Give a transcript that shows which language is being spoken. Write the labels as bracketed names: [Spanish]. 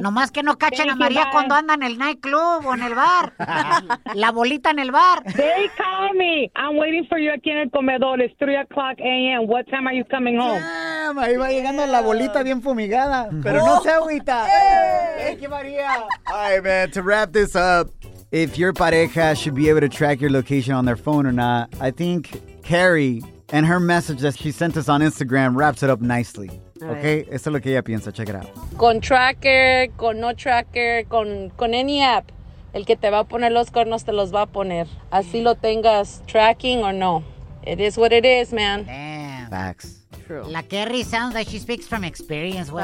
[Spanish] Nomás que no cachen a María cuando anda en el nightclub o en el bar. La bolita en el bar. [English] They call me. I'm waiting for you [Spanish] aquí en el comedor. [English] It's 3 o'clock a.m. What time are you coming home? [Spanish] Damn, ahí va llegando la bolita bien fumigada. Pero no se agüita. [English] Thank you, María. All right, man. To wrap this up, if your pareja should be able to track your location on their phone or not, I think Carrie and her message that she sent us on Instagram wraps it up nicely. [Spanish] Okay, esto es lo que ella piensa, [English] check it out. [Spanish] Con tracker, con no tracker, con any app, el que te va a poner los cuernos te los va a poner. Así lo tengas [English] tracking or no. It is what it is, man. Damn. Facts. True. La Kerry sounds like she speaks from experience. Well.